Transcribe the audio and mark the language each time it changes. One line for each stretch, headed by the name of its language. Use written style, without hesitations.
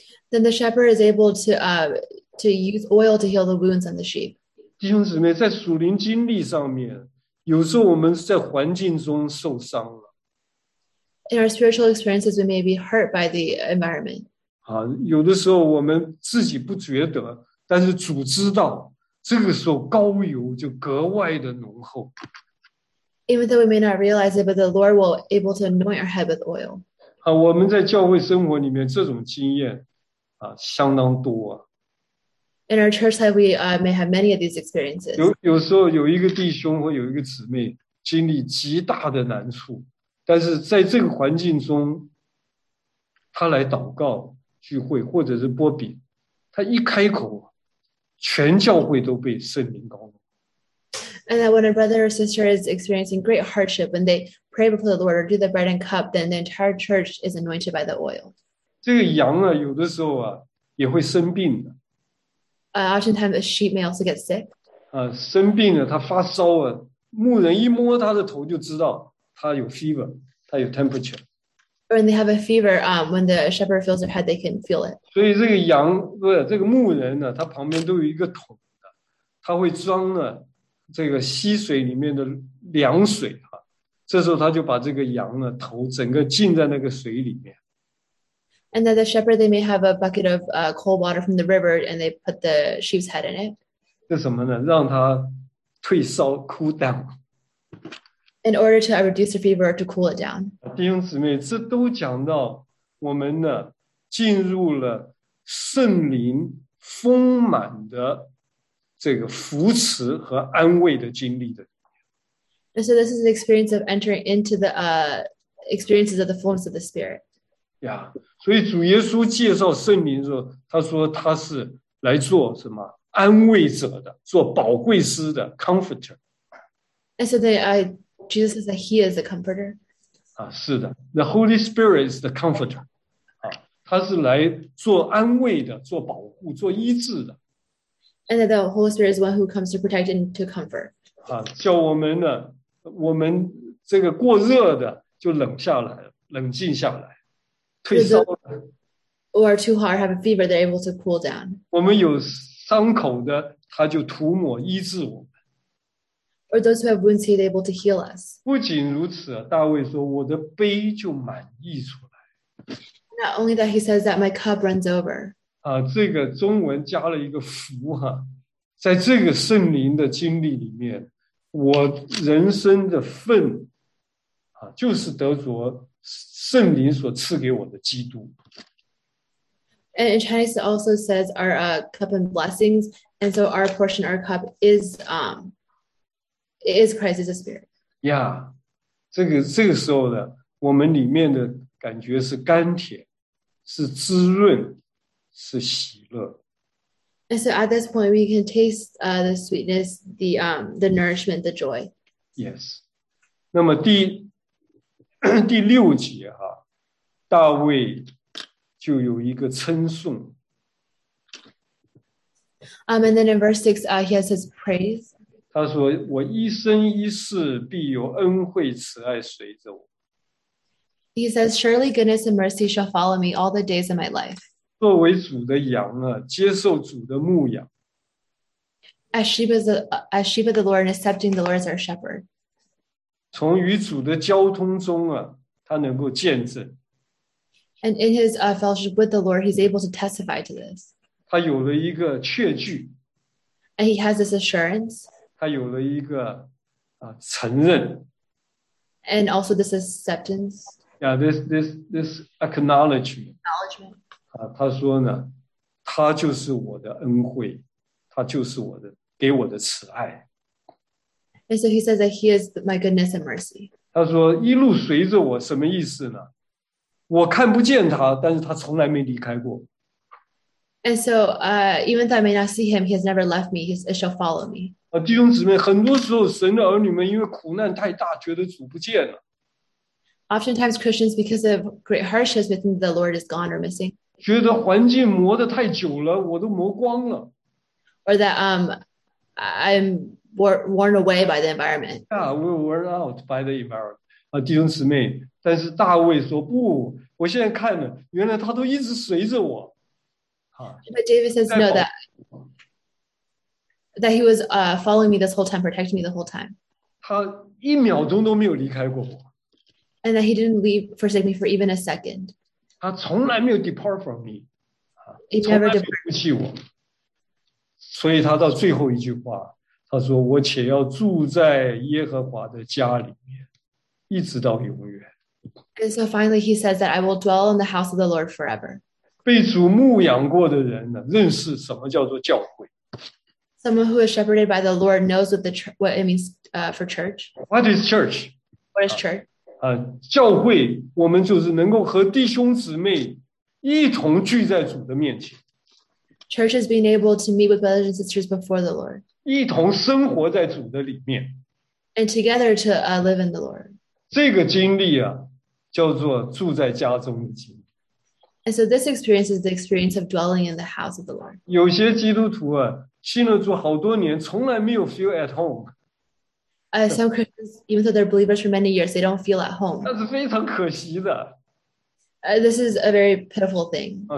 English: Then the shepherd is able to use oil to heal the wounds on the sheep.
Chinese: 弟兄姊妹，在属灵经历上面，有时候我们在环境中受伤了。
English: In our spiritual experiences, we may be hurt by the environment.
Chinese: 啊，有的时候我们自己不觉得，但是主知道。这个时候膏油就格外的浓厚。
English: Even though we may not realize it, but the Lord will able to anoint our head with oil.
Chinese: 啊，我们在教会生活里面这种经验啊，相当多啊。
English: In our church life, we may have many of these experiences.
Chinese: 有时候有一个弟兄或有一个姊妹经历极大的难处，但是在这个环境中，他来祷告聚会或者是拨饼，他一开口。全教会都被圣灵膏了。
English: And that when a brother or sister is experiencing great hardship, when they pray before the Lord or do the bread and cup, then the entire church is anointed by the oil.
Chinese: 这个羊啊，有的时候啊，也会生病的。
English: Oftentimes a sheep may also get sick.
Chinese: 生病了，它发烧啊，牧人一摸它的头就知道它有 fever, 它有 temperature.
English: When they have a fever, when the shepherd feels their head, they can feel it.
Chinese: 所以这个羊，不是这个牧人呢，他旁边都有一个桶的，他会装呢这个溪水里面的凉水啊。这时候他就把这个羊呢头整个浸在那个水里面。
English: And that the shepherd they may have a bucket of cold water from the river, and they put the sheep's head in it.
Chinese: 这什么呢？让他退烧 ，
English: cool down。 In order to reduce the fever or to cool it down.
Chinese: 弟兄姊妹，这都讲到我们呢进入了圣灵丰满的这个扶持和安慰的经历的。
English: And so this is an experience of entering into the experiences of the fullness of the Spirit.
Chinese: Yeah, 所以主耶稣介绍圣灵的时候，他说他是来做什么安慰者的，做宝贵师的 comforter.
English: And so Jesus says that he is the comforter. 啊，
Chinese: 是的
English: ，The Holy Spirit is the comforter.
Chinese: 啊，他是来做安慰的，做保护，做医治的。
English: And that the Holy Spirit is one who comes to protect and to comfort.
Chinese: 啊，叫我们呢，我们这个过热的就冷下来，冷静下来，退烧了。
English: Or too hot, have a fever, they're able to cool down.
Chinese: 我们有伤口的，他就涂抹医治我们。
English: Or those who have wounds, he is able to heal us.
Chinese: 不仅如此，大卫说：“我的杯就满溢出来。”
English: Not only that, he says that my cup runs over.
Chinese: 啊，这个中文加了一个福哈，在这个圣灵的经历里面，我人生的份啊，就是得着圣灵所赐给我的基督。
English: And in Chinese, it also says our cup and blessings, and so our portion, our cup is It is Christ's spirit.
Chinese: Yeah, 这个时候呢，我们里面的感觉是甘甜，是滋润，是喜乐。
English: And so at this point, we can taste the sweetness, the nourishment, the joy.
Chinese: Yes，那么第六节哈，大卫就有一个称颂。
English: And then in verse 6, he has his praise.
Chinese: 他说：“我一生一世必有恩惠慈爱随着我。
English: He says, "Surely goodness and mercy shall follow me all the days of my life."
Chinese: ”作为主的羊啊，接受主的牧养。
English: As sheep of the Lord, and accepting the Lord as our shepherd.
Chinese: 从与主的交通中啊，他能够见证。
English: And in his fellowship with the Lord, he's able to testify to this.
Chinese: 他有了一个确据。
English: And he has this assurance.
Chinese: 他有了一个承认
English: And also this acceptance. ，this acknowledgement Acknowledgement.
Chinese: 他说呢，他就是我的恩惠，他就是我的给我的慈爱。
English: And so he says that he is my goodness and mercy.
Chinese: 他说一路随着我什么意思呢？我看不见他，但是他从来没离开过。
English: And so even though I may not see him, he has never left me. It shall follow me.
Chinese: 弟兄姊妹，很多时候神的儿女们因为苦难太大，觉得主不见了，
English: Oftentimes Christians, because of great hardships within the Lord, is gone or missing.
Chinese: 觉得环境磨得太久了，我都磨光了。
English: Or that I'm worn away by the environment. We're worn out by the environment.
Chinese: 弟兄姊妹，但是大卫说不，我现在看了，原来他都一直随着我，
English: But David
Chinese: 在
English: says, no,
Chinese: 保护。
English: that he was following me this whole time, protecting me the whole time.
Chinese: 他一秒钟都没有离开过我，
English: And that he didn't leave, forsake me for even a second.
Chinese: 他从来没有
English: depart from me， He
Chinese: 从来
English: never departed.
Chinese: 没有离弃我，所以他到最后一句话，他说：“我且要住在耶和华的家里面，一直到永远。
English: And so finally, he says that I will dwell in the house of the Lord forever.
Chinese: ”被主牧养过的人呢，认识什么叫做教会。
English: Someone who is shepherded by the Lord knows what it means for church. What is church？ What is church?
Chinese: 教会，我们就是能够和弟兄姊妹一同聚在主的面前，
English: Church is being able to meet with brothers and sisters before the Lord.
Chinese: 一同生活在主的里面。
English: And together to live in the Lord.
Chinese: 这个经历啊，叫做住在家中的经历。
English: And so this experience is the experience of dwelling in the house of the Lord.
Chinese: 有些基督徒啊，信了主好多年，从来没有
English: feel at home。 Some Christians, even though they're believers for many years, they don't feel at
Chinese: 那
English: home.
Chinese: 是非常可惜的。
English: This is a very pitiful thing.